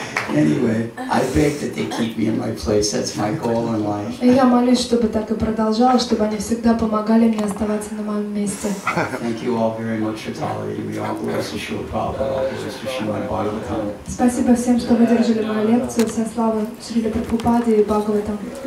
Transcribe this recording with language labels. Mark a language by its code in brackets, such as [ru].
[en] Anyway, I beg that they keep me in my place. That's my goal in life. [ru] Я молюсь, чтобы так и продолжалось, чтобы они всегда помогали мне оставаться на моем месте. [en] Thank you all very much for tolerating me. All glories to Srila Prabhupada. All glories to Srila Bhagavatam. [ru] Спасибо всем, что выдержали мою лекцию. Вся слава Шриле Прабхупаде и Бхагаватам.